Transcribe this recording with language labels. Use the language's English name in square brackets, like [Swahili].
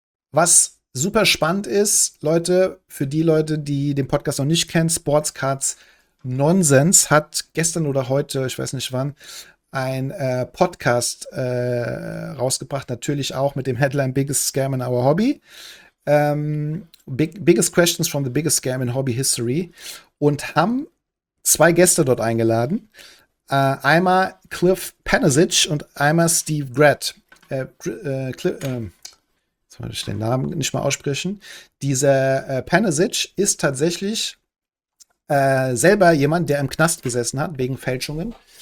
[German] Was super spannend ist, Leute, für die Leute, die den Podcast noch nicht kennen, Sports Cards Nonsense hat gestern oder heute, ich weiß nicht wann, ein Podcast rausgebracht, natürlich auch mit dem Headline Biggest Scam in Our Hobby. [English] Biggest Questions from the Biggest Scam in Hobby History. [German] Und haben zwei Gäste dort eingeladen. Einmal Cliff Panasich und einmal Steve Grett. Jetzt wollte ich den Namen nicht mal aussprechen. Dieser Panasich ist tatsächlich selber jemand, der im Knast gesessen hat, wegen Fälschungen.